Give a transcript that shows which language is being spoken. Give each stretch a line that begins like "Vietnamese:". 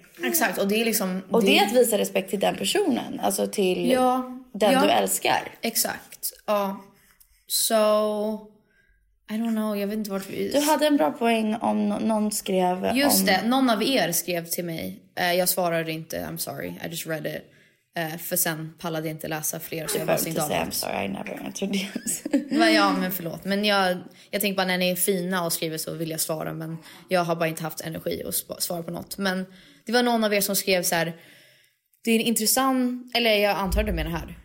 Swedish: Exakt. Och det är liksom... Och det är att visa respekt till den personen. Alltså till den du älskar. Exakt. Ja. Så...
English: I don't know,
Swedish: jag vet inte vart vi... Du hade en bra poäng om någon skrev... Just om... det, någon av er skrev till mig. Jag svarade inte,
English: I'm sorry, I just read it.
Swedish: För sen pallade jag inte läsa fler. Så du jag behöver inte säga,
English: I'm sorry, I never answered yes.
Swedish: Men ja, men förlåt. Men jag tänkte bara, när ni är fina och skriver så vill jag svara. Men jag har bara inte haft energi att svara på något. Men det var någon av er som skrev så här... Det är en intressant... Eller jag antar du menar här.